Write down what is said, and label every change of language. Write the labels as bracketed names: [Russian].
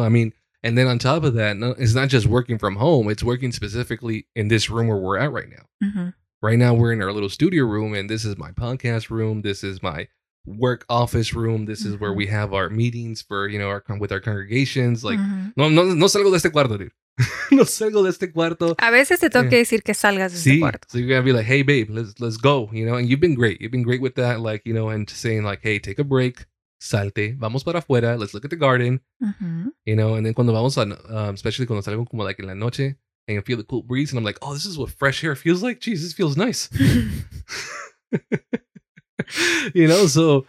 [English] I mean, and then on top of that, no, it's not just working from home. It's working specifically in this room where we're at right now. Mm-hmm. Right now, we're in our little studio room, and this is my podcast room. This is my work office room. This is where we have our meetings for, you know, our with our congregations. Like, [Spanish] no salgo de este cuarto, dude. No salgo de este cuarto. A veces te tengo que decir que salgas de este cuarto. [English] So you're going to be like, hey, babe, let's go, you know? And you've been great. You've been great with that, like, you know, and just saying like, hey, take a break. [Spanish] Salte, vamos para afuera, [English] let's look at the garden, you know, and then [Spanish] cuando vamos a, [English] especially [Spanish] cuando salgo como [English] like [Spanish] en la noche, [English] and you feel the cool breeze, and I'm like, oh, this is what fresh air feels like, jeez, this feels nice, you know, so.